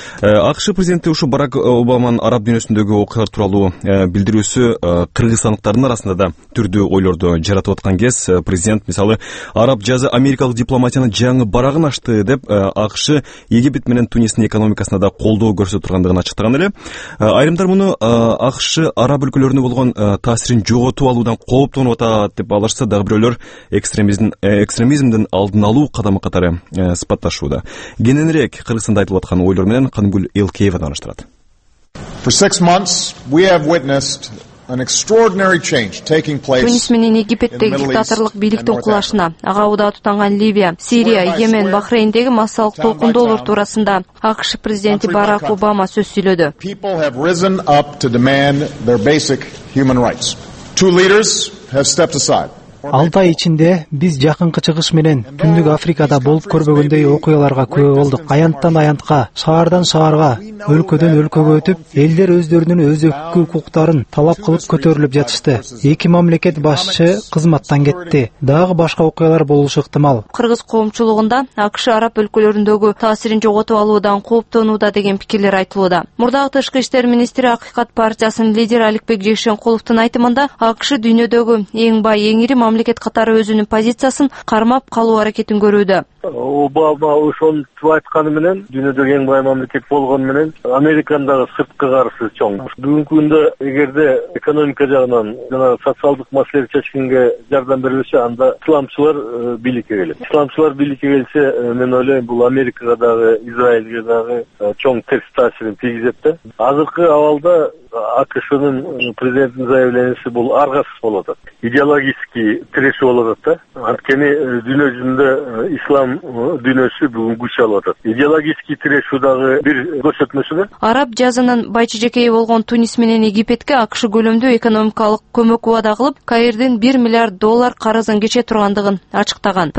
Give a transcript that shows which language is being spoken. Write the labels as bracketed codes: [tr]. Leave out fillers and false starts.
[ky] АКШ президенти ушу Барак Обаманын араб дүйнөсүндөгү окуялар тууралуу билдирүүсү кыргызстандыктардын арасында да түрдүү ойлорду жаратып аткан кез президент мисалы араб жазы америкалык дипломатиянын жаңы барагын ашты деп АКШ Египет менен Тунистин экономикасына да колдоо көрсөтүп тургандыгын ачыктаган эле. Айрымдар муну АКШ араб өлкөлөрүнө болгон таасирин жоготуп алуудан кооптонуп атат деп алышса, дагы бирөөлөр экстремизмдин алдын алуу кадамы катары сыпатташууда. Кененирээк Кыргызстанда айтылып аткан ойлор менен Кангүл Элкеева тааныштырат. [en] For 6 months we have witnessed an extraordinary change taking place. [ky] Тунис менен Египеттеги диктаторлук бийликтин кулашына, ага ууда тутанган Ливия, Сирия, Йемен, Бахрейндеги массалык толкундоолор туурасында АКШ президенти Барак Обама сөз сүйлөдү. [en] People have risen up to demand their basic human rights. Two leaders have stepped aside. [ky] 6 ай ичинде биз жакынкы чыгыш менен түндүк Африкада болуп көрбөгөндөй окуяларга күбө болдук. Аянттан аянтка, шаардан шаарга, өлкөдөн өлкөгө өтүп, элдер өздөрүнүн өзөккү укуктарын талап кылып көтөрүлүп жатышты. Эки мамлекет башчы кызматтан кетти. Дагы башка окуялар болушу ыктымал. Кыргыз коомчулугунда АКШ араб өлкөлөрүндөгү таасирин жоготуп алуудан кооптонууда деген пикирлер айтылууда. Мурдагы тышкы иштер министри Акыйкат партиясынын лидери Аликбек Жейшенкуловдун айтымында АКШ дүйнөдөгү эң бай, эң ири мамлекет катары өзүнүн позициясын кармап калуу аракетин көрүүдө. Обама ошентип айтканы менен дүйнөдөгү эң бай мамлекет болгону менен Американын дагы сырткы карызы чоң. Бүгүнкү күндө эгерде экономика жагынан жана социалдык маселелерди чечкенге жардам берилбесе, анда исламчылар бийликке келет. Исламчылар бийликке келсе, мен ойлойм, бул Америкага дагы, Израилге дагы чоң терс таасирин тийгизет да. Азыркы абалда АКШнын президентинин заявлениси бул ар кайсыз болуп атат. Идеологический тиреши болуп атат да. Анткени дүйнө жүзүндө ислам дүйнөсү бүгүн күч алып атат. Идеологический тирешүү дагы бир көрсөтмөсү да. Араб жазынын байчыжекеи болгон Тунис менен Египетке АКШ көлөмдүү экономикалык көмөк убада кылып, Каирдин $1 миллиард карызын кече тургандыгын ачыктаган.